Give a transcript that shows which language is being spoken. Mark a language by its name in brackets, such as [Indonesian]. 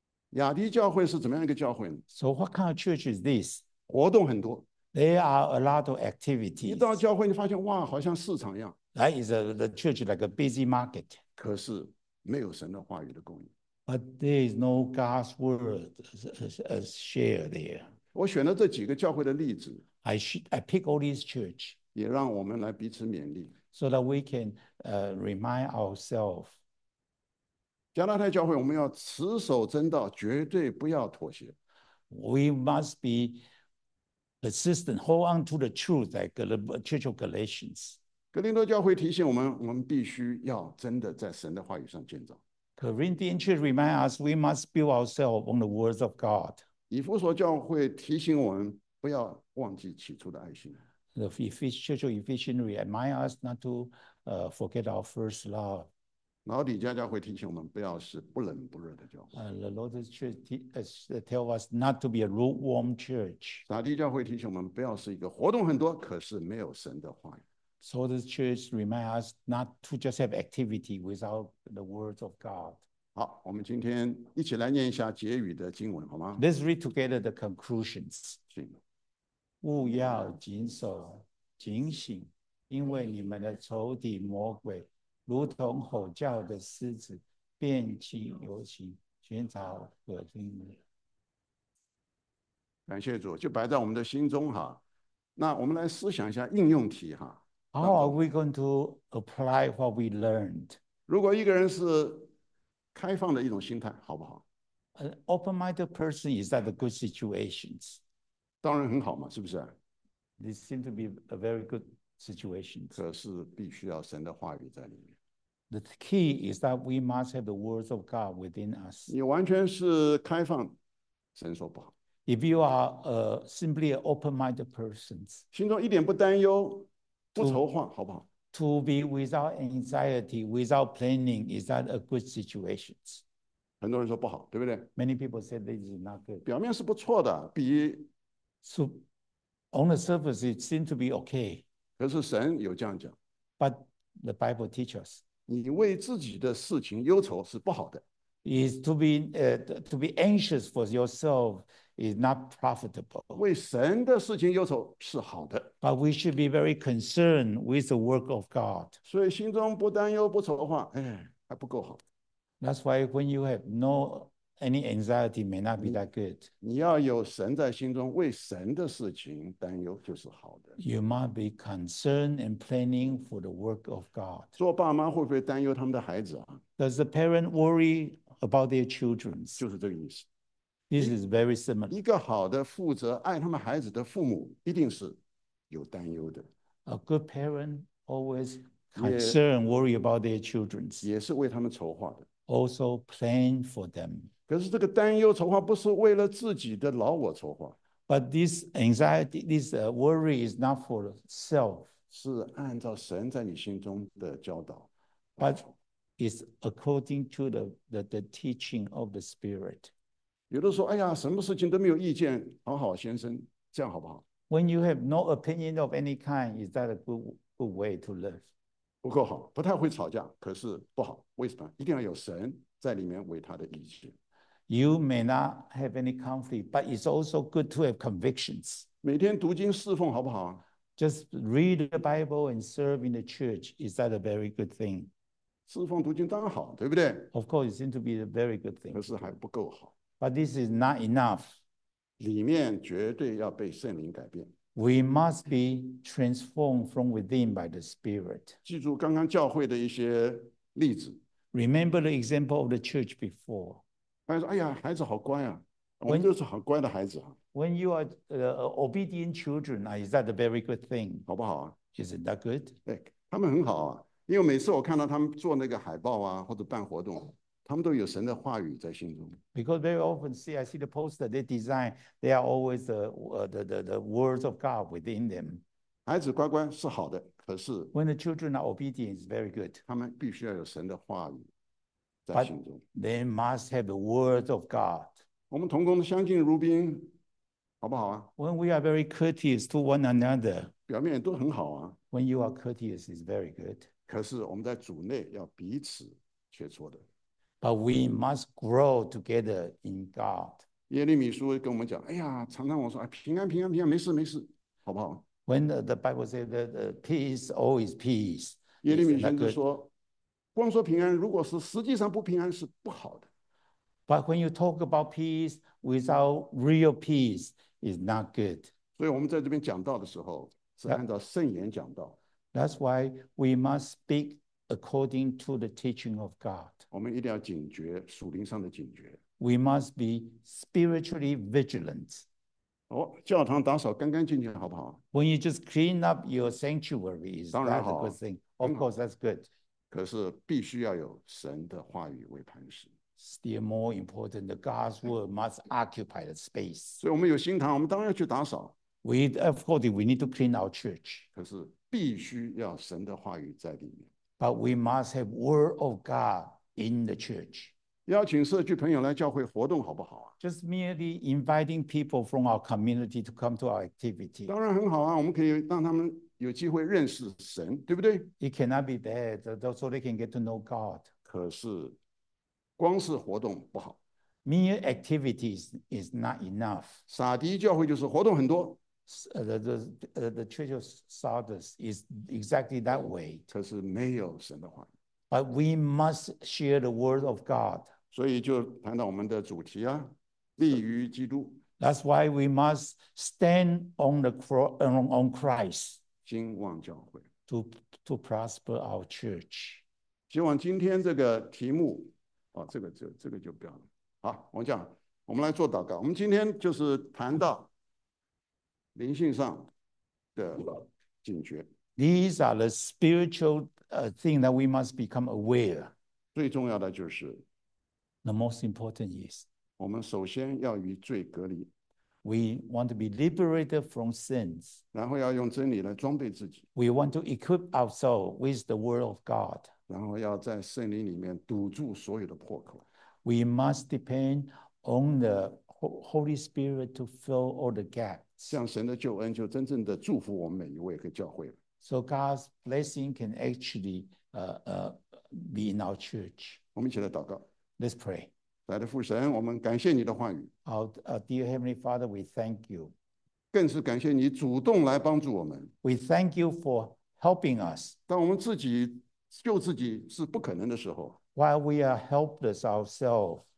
[Chinese] 亚迪教会是怎么样一个教会呢 [English] ？So what kind of church is this? [Chinese] 活动很多。 [English] There are a lot of activities. [Chinese] 一到教会，你发现哇，好像市场一样。 [English] That is the church like a busy market. [Chinese] 可是没有神的话语的供应。 [English] But there is no God's word as shared there. [Chinese] 我选了这几个教会的例子。 [English] I pick all these church. [Chinese] 也让我们来彼此勉励。 [English] So that we can remind ourselves. [Chinese] 加拉太教会，我们要持守真道，绝对不要妥协。 [English] We must be persistent, hold on to the truth, like the Church of Galatians. [Chinese] 格林多教会提醒我们，我们必须要真的在神的话语上建造。 [English] Corinthian Church remind us we must build ourselves on the words of God. [Chinese] 以弗所教会提醒我们，不要忘记起初的爱心。 [English] The Church of Ephesians remind us not to forget our first love. [Chinese] 老底家教会提醒我们不要是不冷不热的教会。 [English] The Lord's Church tells us not to be a lukewarm church. [Chinese] 撒迪教会提醒我们不要是一个活动很多可是没有神的话语。 [English] So the church reminds us not to just have activity without the words of God. [Chinese] 好，我们今天一起来念一下结语的经文，好吗 [English] ？Let's read together the conclusions. [Chinese] 勿要谨守，警醒，因为你们的仇敌魔鬼，如同吼叫的狮子，遍地游行，寻找可吞的。感谢主，就摆在我们的心中哈。那我们来思想一下应用题哈。 [English] How are we going to apply what we learned? [Chinese] 如果一个人是开放的一种心态，好不好 [English] ？An open-minded person is that a good situation? [Chinese] 当然很好嘛，是不是 [English] ？This seems to be a very good situation. [Chinese] 可是必须要神的话语在里面。 [English] The key is that we must have the words of God within us. [Chinese] 你完全是开放，神说不好。 [English] If you are a simply an open-minded person, [Chinese] 心中一点不担忧。不愁患好不好 [English] To be without anxiety, without planning, is that a good situation? [Chinese] 很多人说不好，对不对 [English] Many people say this is not good. [Chinese] 表面是不错的，比 [English] So, on the surface, it seems to be okay. [Chinese] 可是神有这样讲 [English] But the Bible teaches us. [Chinese] 你为自己的事情忧愁是不好的 [English] Is to be anxious for yourself. Is not profitable. [Chinese] 为神的事情忧愁是好的 [English] But we should be very concerned with the work of God. [Chinese] 所以心中不担忧不愁的话，还不够好。 [English] That's why when you have no any anxiety, may not be that good. [Chinese] 你要有神在心中，为神的事情担忧就是好的。 [English] You must be concerned and planning for the work of God. [Chinese] 做爸妈会不会担忧他们的孩子啊 [English] ？Does the parent worry about their children? [Chinese] 就是这个意思。 [English] This is very similar. [Chinese] 一个好的负责爱他们孩子的父母一定是有担忧的。 [English] A good parent always concern, worry about their children. [Chinese] 也是为他们筹划的。 [English] Also plan for them. [Chinese] 可是这个担忧筹划不是为了自己的老我筹划。 [English] But this anxiety, this worry is not for self. [Chinese] 是按照神在你心中的教导。 [English] But it's according to the teaching of the Spirit. [Chinese] 有的说：“哎呀，什么事情都没有意见，好好先生，这样好不好 [English] ？”When you have no opinion of any kind, is that a good way to live? [Chinese] 不够好，不太会吵架，可是不好。为什么？一定要有神在里面为他的意见。 [English] You may not have any conflict, but it's also good to have convictions. [Chinese] 每天读经侍奉好不好 [English] ？Just read the Bible and serve in the church. Is that a very good thing? [Chinese] 侍奉读经当然好，对不对 [English] ？Of course, it seems to be a very good thing. [Chinese] 可是还不够好。 [English] But this is not enough. [Chinese] 里面绝对要被圣灵改变。 [English] We must be transformed from within by the Spirit. [Chinese] 记住刚刚教会的一些例子。 [English] Remember the example of the church before. [Chinese] 他说：“哎呀，孩子好乖啊，我们就是好乖的孩子啊。” [English] When you are obedient children, is that a very good thing? [Chinese] 好不好啊 [English] ？Isn't that good? [Chinese] 对，他们很好啊，因为每次我看到他们做那个海报啊，或者办活动。他们都有神的话语在心中。 [English] Because very often, see, I see the poster they design. They are always the words of God within them. [Chinese] 孩子乖乖是好的，可是 [English] when the children are obedient, it's very good. [Chinese] 他们必须要有神的话语在心中。 [English] But they must have the words of God. [Chinese] 我们同工相敬如宾，好不好啊 [English] ？When we are very courteous to one another, [Chinese] 表面都很好啊。 [English] When you are courteous, it's very good. [Chinese] 可是我们在主内要彼此切磋的。 [English] But we must grow together in God. [Chinese] 耶利米书跟我们讲，哎呀，常常我说，哎，平安，平安，平安，没事，没事，好不好 [English] ？When the Bible says that the peace always peace. [Chinese] 耶利米先知说，光说平安，如果是实际上不平安是不好的。 [English] But when you talk about peace without real peace, is not good. [Chinese] 所以我们在这边讲道的时候是按照圣言讲道。 [English] That's why we must speak. According to the teaching of God, [Chinese] 我们一定要警觉属灵上的警觉。 [English] We must be spiritually vigilant. [Chinese] 哦，教堂打扫干干净净，好不好 [English] ？When you just clean up your sanctuary, is that a good thing? Of course, that's good. [Chinese] 可是必须要有神的话语为磐石。 [English] Still more important, the God's word must occupy the space. [Chinese] 所以我们有新堂，我们当然要去打扫。 [English] Of course, we need to clean our church. [Chinese] 可是必须要神的话语在里面。 [English] But we must have word of God in the church. [Chinese] 邀请社区朋友来教会活动好不好啊 [English] ？Just merely inviting people from our community to come to our activity. [Chinese] 当然很好啊，我们可以让他们有机会认识神，对不对？ [English] It cannot be bad, so they can get to know God. [Chinese] 可是光是活动不好。 [English] Mere activities is not enough. [Chinese] 撒迪教会就是活动很多。 [English] The Church of Sardis is exactly that way. [Chinese] 可是没有神的话。 [English] But we must share the word of God. [Chinese] 所以就谈到我们的主题啊，立于基督。 [English] That's why we must stand on the on Christ. [Chinese] 兴旺教会。 [English] To prosper our church. [Chinese] 希望今天这个题目，这个就不要了。好，王将，我们来做祷告。我们今天就是谈到灵性上的警觉。 [English] These are the spiritual thing that we must become aware. [Chinese] 最重要的就是 [English] ，the most important is [Chinese] 我们首先要与罪隔离。 [English] We want to be liberated from sins. [Chinese] 然后要用真理来装备自己。 [English] We want to equip ourselves with the word of God. [Chinese] 然后要在圣灵里面堵住所有的破口。 [English] We must depend on the Holy Spirit to fill all the gaps. [Chinese] 像神的救恩就真正的祝福我们每一位和教会。 [English] So God's blessing can actually be in our church. [Chinese] 我们一起来祷告。 [English] Let's pray. [Chinese] 来的父神，我们感谢你的话语。 [English] Dear Heavenly Father, we thank you. [Chinese] 更是感谢你主动来帮助我们。 [English] We thank you for helping us. [Chinese] 当我们自己救自己是不可能的时候。 [English] While we are helpless ourselves,